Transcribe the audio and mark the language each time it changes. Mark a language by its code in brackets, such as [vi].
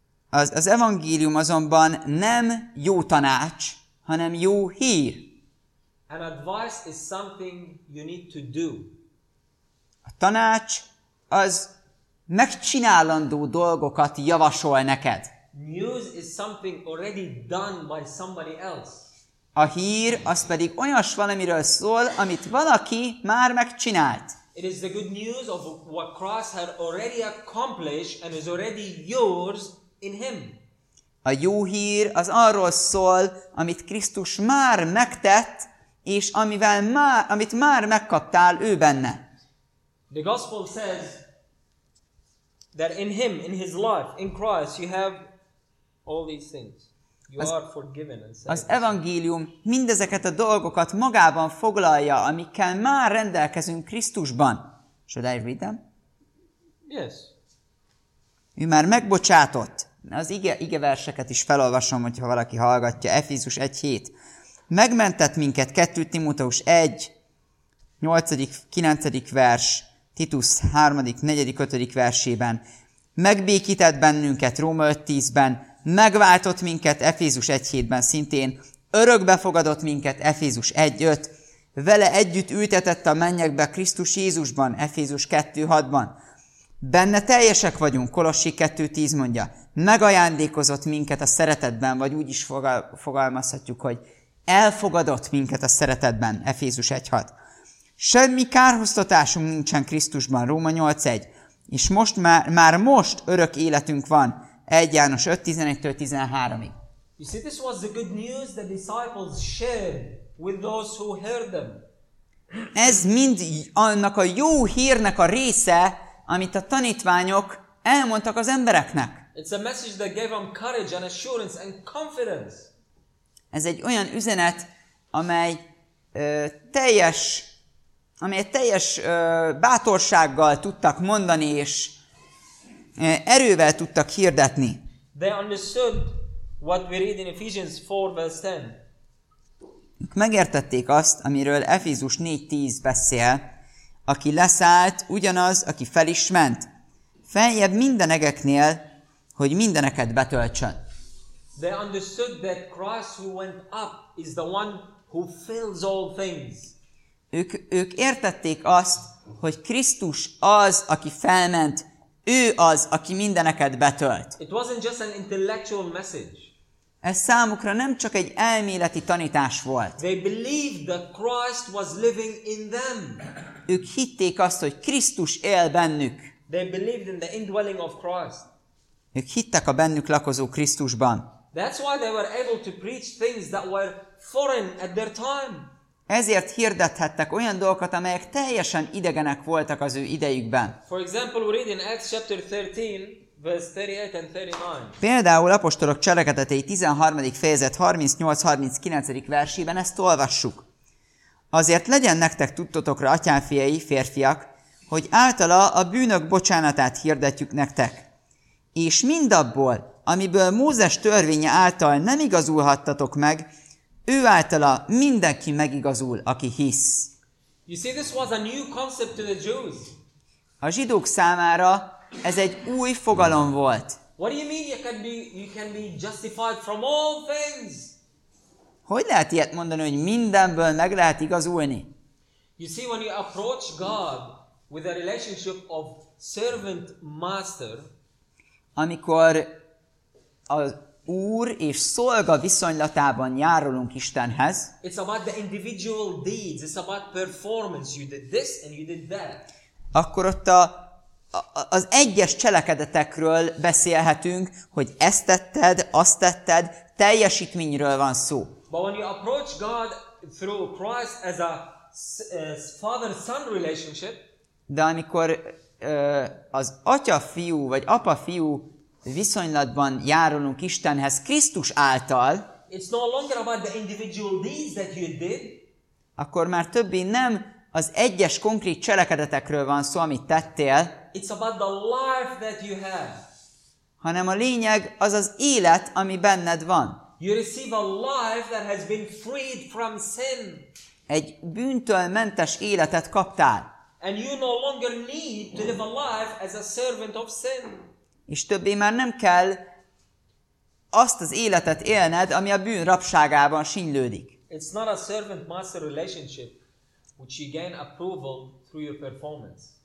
[hu] Az evangélium azonban nem jó tanács, hanem jó hír. [en] An advice is something you need to do. [hu] Tanács az megcsinálandó dolgokat javasol neked. [en] News is something already done by somebody else. [hu] A hír az pedig olyas valamiről szól, amit valaki már megcsinált. [en] It is the good news of what Christ had already accomplished and is already yours in him. [hu] A jó hír az arról szól, amit Krisztus már megtett, és amivel már, amit már megkaptál ő benne. [en] The gospel says that in him, in his life, in Christ, you have all these things. You are forgiven and saved. [hu] Az evangélium mindezeket a dolgokat magában foglalja, amikkel már rendelkezünk Krisztusban. [en] Should I read them? Yes. [hu] Ő már megbocsátott. Az ige verseket is felolvasom, hogyha valaki hallgatja. Efézus 1:7. Megmentett minket, 2 Timóteus 1, 8., 9. vers, Titus 3., 4., 5. versében. Megbékített bennünket, Róma 5:10-ben. Megváltott minket, Efézus 1:7-ben szintén. Örökbefogadott minket, Efézus 1:5. Vele együtt ültetett a mennyekbe Krisztus Jézusban, Efézus 2:6-ban. Benne teljesek vagyunk, Kolossi 2:10 mondja. Megajándékozott minket a szeretetben, vagy úgy is fogalmazhatjuk, hogy elfogadott minket a szeretetben, Efézus 1:6. Semmi kárhoztatásunk nincsen Krisztusban, Róma 8:1. És most már most örök életünk van, 1 János 5:11-13. [en] You see, this was the good news the disciples shared with those who heard them. [hu] Ez mind annak a jó hírnek a része, amit a tanítványok elmondtak az embereknek. [en] It's a message that gave them courage and assurance and confidence. [hu] Ez egy olyan üzenet, amely teljes, amely teljes bátorsággal tudtak mondani és erővel tudtak hirdetni. [en] They understood what we read in Ephesians 4 verse 10. [hu] Ők megértették azt, amiről Efézus 4:10 beszél, aki leszállt, ugyanaz, aki fel is ment, feljebb mindenegeknél, hogy mindeneket betöltsön. [en] They understood that Christ who went up is the one who fills all things. [hu] Ők értették azt, hogy Krisztus az, aki felment, ő az, aki mindeneket betölt. [en] It wasn't just an intellectual message. [hu] Ez számukra nem csak egy elméleti tanítás volt. [en] They believed that Christ was living in them. [hu] Ők hitték azt, hogy Krisztus él bennük. [en] They believed in the indwelling of Christ. [hu] Ők hittek a bennük lakozó Krisztusban. [en] That's why they were able to preach things that were foreign at their time. [hu] Ezért hirdethettek olyan dolgokat, amelyek teljesen idegenek voltak az ő idejükben. [en] For example, we read in Acts chapter 13, verse 38 and 39. [hu] Például Apostolok Cselekedetei 13. fejezet 38-39. Versében ezt olvassuk. Azért legyen nektek tudtotokra, atyánfiai, férfiak, hogy általa a bűnök bocsánatát hirdetjük nektek. És mindabból, amiből Mózes törvénye által nem igazulhattatok meg, ő általa mindenki megigazul, aki hisz. [en] You see, this was a new concept to the Jews. [hu] A zsidók számára ez egy új fogalom volt. [en] What do you mean you can be justified from all things? [hu] Hogy lehet ilyet mondani, hogy mindenből meg lehet igazulni? [en] You see, when you approach God with a relationship of servant master, [hu] amikor az Úr és szolga viszonylatában járulunk Istenhez, [en] it's about the individual deeds, it's about performance, you did this and you did that. [hu] Akkor ott az egyes cselekedetekről beszélhetünk, hogy ezt tetted, azt tetted, teljesítményről van szó. [en] But when you approach God through Christ as a father-son relationship, [hu] de amikor az atya-fiú vagy apa-fiú viszonylatban járulunk Istenhez Krisztus által, [en] it's no longer about the individual deeds that you did, [hu] akkor már többé nem az egyes konkrét cselekedetekről van szó, amit tettél, [en] it's about the life that you have, [hu] hanem a lényeg az az élet, ami benned van. [en] You receive a life that has been freed from sin. [hu] Egy bűntől mentes életet kaptál. [en] And you no longer need to live a life as a servant of sin. [hu] És többé már nem kell azt az életet élned, ami a bűn rabságában sinylődik. [en] It's not a servant-master relationship, which you gain approval through your performance.